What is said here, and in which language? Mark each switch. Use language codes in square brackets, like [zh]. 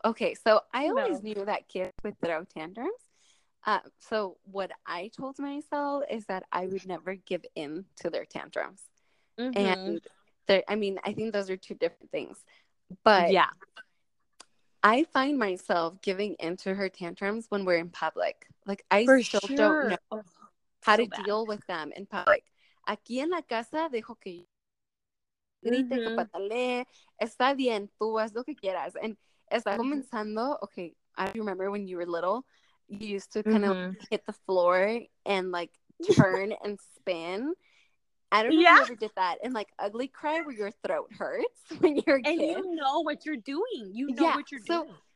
[en] Okay, so I always knew that kids would throw tantrums. So what I told myself is that I would never give in to their tantrums. Mm-hmm. And I mean, I think those are two different things. But yeah, I find myself giving in to her tantrums when we're in public. Like, I for still sure. don't know. How so to bad. Deal with them in public. [es] Aquí en la casa, dejo que grite, que patalee. Está bien, tú haz lo que quieras. [en] And [es] está comenzando, [en] okay, I remember when you were little, you used to kind of hit the floor and, like, turn and spin. I don't know if you ever did that. And, like, ugly cry where your throat hurts when you're a kid. And you know what you're doing. You know what you're doing.